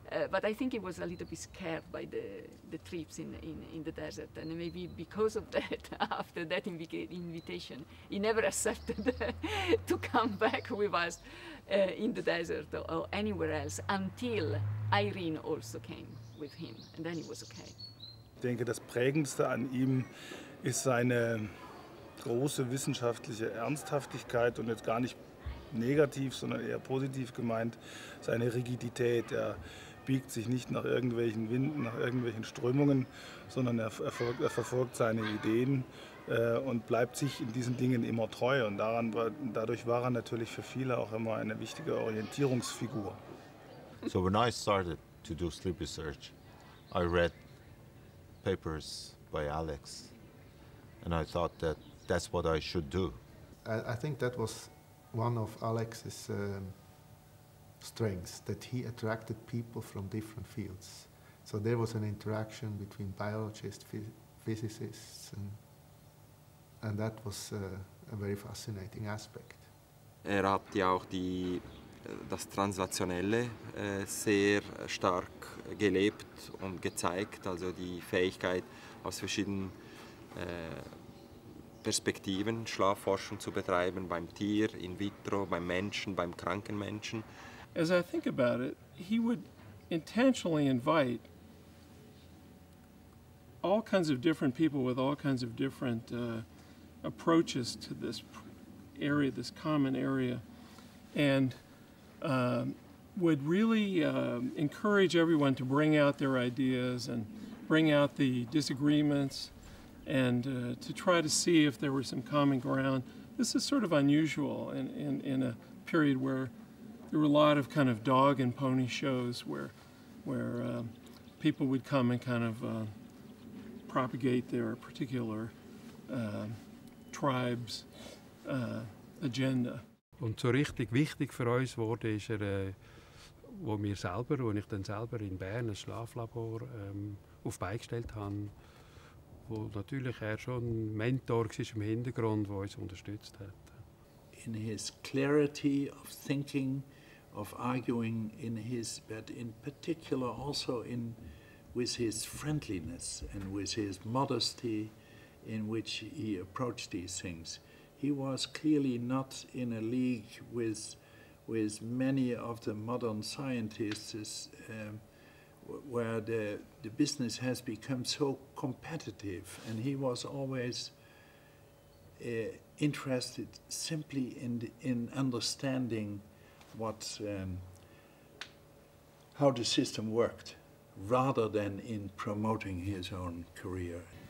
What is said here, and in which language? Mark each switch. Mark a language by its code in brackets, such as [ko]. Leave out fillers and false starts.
[en] But I think he was a little bit scared by the trips in the desert, and maybe because of that, after that invitation, he never accepted to come back with us in the desert or anywhere else until Irene also came with him, and then he was okay. [de] Ich denke, das Prägendste an ihm ist seine große wissenschaftliche Ernsthaftigkeit und jetzt gar nicht negativ, sondern eher positiv gemeint, seine Rigidität. Er biegt sich nicht nach irgendwelchen Winden, nach irgendwelchen Strömungen, sondern er verfolgt seine Ideen und bleibt sich in diesen Dingen immer treu. Und dadurch war er natürlich für viele auch immer eine wichtige Orientierungsfigur. [en] So when I started to do sleep research, I read papers by Alex and I thought that that's what I should do. I think that was one of Alex's strengths, that he attracted people from different fields. So there was an interaction between biologists, physicists, and that was a very fascinating aspect. [de] Er hat ja auch das Translationelle sehr stark gelebt und gezeigt, also die Fähigkeit aus verschiedenen Perspektiven Schlafforschung zu betreiben, beim Tier, in vitro, beim Menschen, beim kranken Menschen. [en] As I think about it, he would intentionally invite all kinds of different people with all kinds of different approaches to this area, this common area, and would really encourage everyone to bring out their ideas and bring out the disagreements and to try to see if there were some common ground. This is sort of unusual in a period where there were a lot of kind of dog and pony shows where people would come and kind of propagate their particular tribe's agenda. [de] Und so richtig wichtig für uns wurde, ist er, wo mir selber, wo ich dann selber in Bern ein Schlaflabor auf Beine gestellt habe, wo natürlich er schon ein Mentor war im Hintergrund, der uns unterstützt hat. [en] In his clarity of thinking, of arguing, in his, but in particular also in with his friendliness and with his modesty in which he approached these things. He was clearly not in a league with many of the modern scientists where the business has become so competitive, and he was always interested simply in understanding what how the system worked, rather than in promoting his own career.